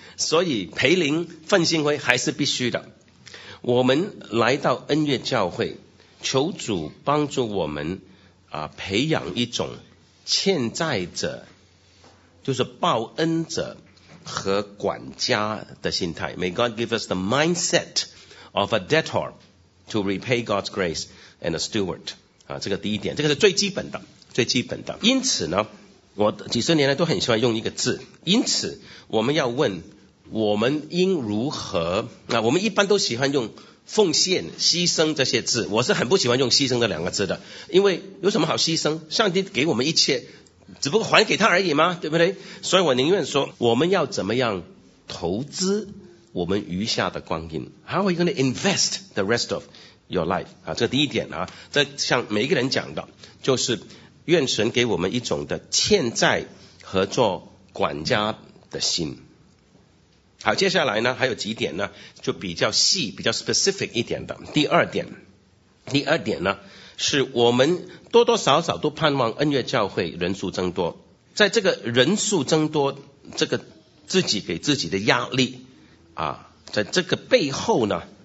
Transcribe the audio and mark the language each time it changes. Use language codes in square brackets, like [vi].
[zh] 所以培灵奋心灰还是必须的。我们来到恩悦教会，求主帮助我们啊，培养一种欠债者，就是报恩者和管家的心态。 [en] May God give us the mindset of a debtor to repay God's grace and a steward [zh] 啊，这个第一点，这个是最基本的， [en] 最基本的。 [zh] 因此呢，我几十年来都很喜欢用一个字，因此我们要问，我们应如何？那我们一般都喜欢用奉献、牺牲这些字，我是很不喜欢用牺牲这两个字的，因为有什么好牺牲？上帝给我们一切，只不过还给他而已嘛，对不对？所以我宁愿说，我们要怎么样投资我们余下的光阴 ？ [en] How are you going to invest the rest of your life？ [zh] 啊，这第一点啊，这像每一个人讲的，就是愿神给我们一种的欠债和做管家的心。好，接下来呢还有几点呢，就比较细比较 specific 一点的。第二点呢，是我们多多少少都盼望恩悦教会人数增多，在这个人数增多这个自己给自己的压力啊，在这个背后呢，